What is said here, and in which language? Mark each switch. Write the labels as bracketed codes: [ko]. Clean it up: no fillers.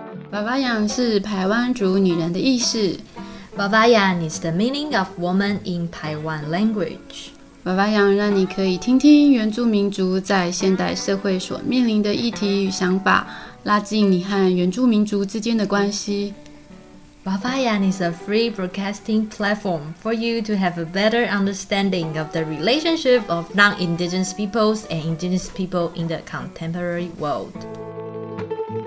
[zh] 爸爸羊是台湾族女人的意思。 [en] 爸爸羊 is the meaning of woman in Taiwan language。 [zh] 爸爸羊让你可以听听原住民族在现代社会所面临的议题与想法，拉近你和原住民族之间的关系。 [en] 爸爸羊 is a free broadcasting platform for you to have a better understanding of the relationship of non-indigenous peoples and indigenous people in the contemporary world。